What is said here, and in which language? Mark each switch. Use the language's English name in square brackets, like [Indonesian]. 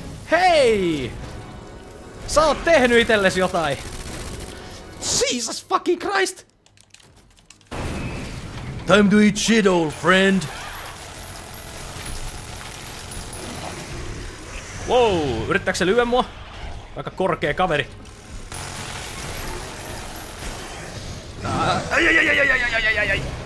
[Finnish] Hei! Sä oot tehnyt itelles jotain! [English] Jesus fucking Christ! Time to eat shit, old friend! [Finnish] Wow, yrittääks se lyö mua? Aika korkea kaveri. Ai.